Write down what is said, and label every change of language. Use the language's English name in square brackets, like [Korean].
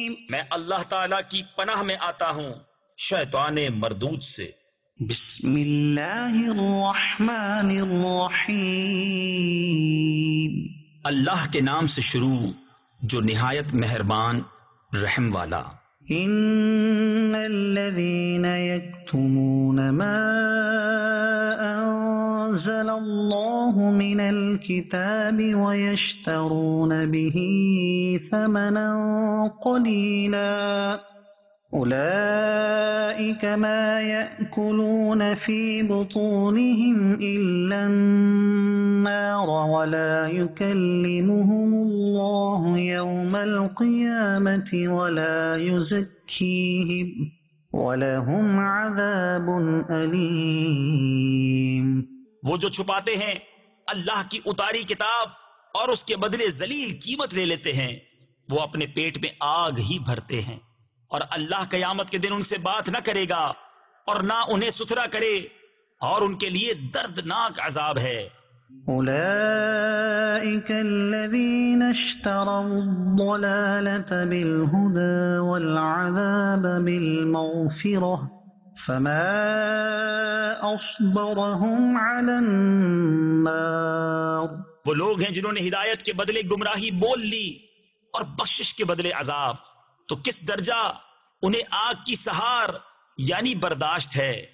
[Urdu] میں اللہ تعالیٰ کی پناہ میں آتا ہوں شیطان مردود سے. [Arabic] بسم اللہ الرحمن الرحیم. [Urdu] اللہ کے نام سے شروع جو نہایت مہربان رحم والا. [Arabic] ان الذین یکتمون ما انزل اللہ من الكتاب ويشترون به ثمنا قليلا أولئك ما يأكلون في بطونهم إلا النار ولا يكلمهم الله يوم القيامة ولا يزكيهم ولهم عذاب أليم. [Urdu] وہ جو چھپاتے ہیں اللہ کی اتاری کتاب اور اس کے بدلے ذلیل قیمت لے لیتے ہیں، وہ اپنے پیٹ میں آگ ہی بھرتے ہیں، اور اللہ قیامت کے دن ان سے بات نہ کرے گا اور نہ انہیں ستھرا کرے، اور ان کے لیے دردناک عذاب ہے. [Arabic] اولئک الذین اشتروا الضلالة بالہدى والعذاب بالمغفرة فما اصبرهم على النار. [Urdu] وہ لوگ ہیں جنہوں نے ہدایت کے بدلے گمراہی بول لی اور بخشش کے بدلے عذاب، تو کس درجہ انہیں آگ کی سہار یعنی برداشت ہے.